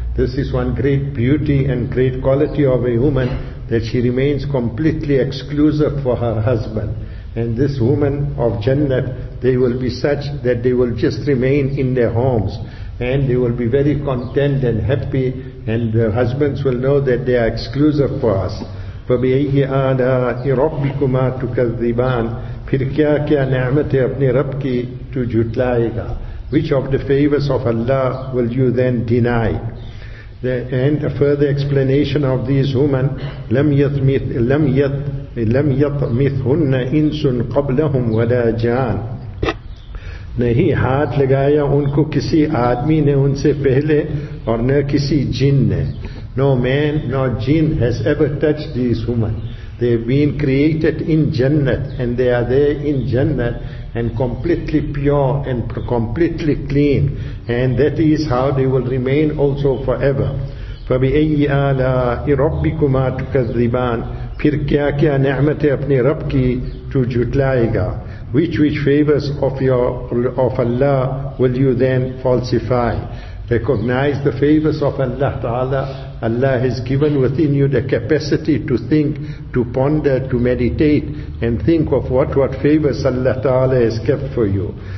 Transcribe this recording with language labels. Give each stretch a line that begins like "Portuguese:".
English: This is one great beauty and great quality of a woman, that she remains completely exclusive for her husband. And this woman of Jannat, they will be such that they will just remain in their homes, and they will be very content and happy, and the husbands will know that they are exclusive for us.
Arabic: فَبِأَيْهِ آلَاءِ رَبِّكُمَا تُكَذِّبَانِ.
Urdu: پھر کیا کیا نعمتِ اپنے رب کی تو جھٹلائے گا.
English: Which of the favors of Allah will you then deny? And a further explanation of these women,
Arabic: لَمْ يَطْمِثْهُنَّ إِنسٌ قَبْلَهُمْ وَلَا جَانِ.
Urdu: نہیں ہاتھ لگایا ان کو کسی آدمی نے ان سے پہلے اور نہ کسی جن نے.
English: No man nor jinn has ever touched these women. They have been created in Jannat, and they are there in Jannat and completely pure and completely clean, and that is how they will remain also forever.
Arabic: فَبِأَيِّ آلَاءِ رَبِّكُمَا تُكَذِّبَانِ.
Urdu: پھر کیا کیا نعمتیں اپنے رب کی تو جھٹلائے گا.
English: Which favors of Allah will you then falsify? Recognize the favors of Allah Ta'ala. Allah has given within you the capacity to think, to ponder, to meditate, and think of what favors Allah Ta'ala has kept for you.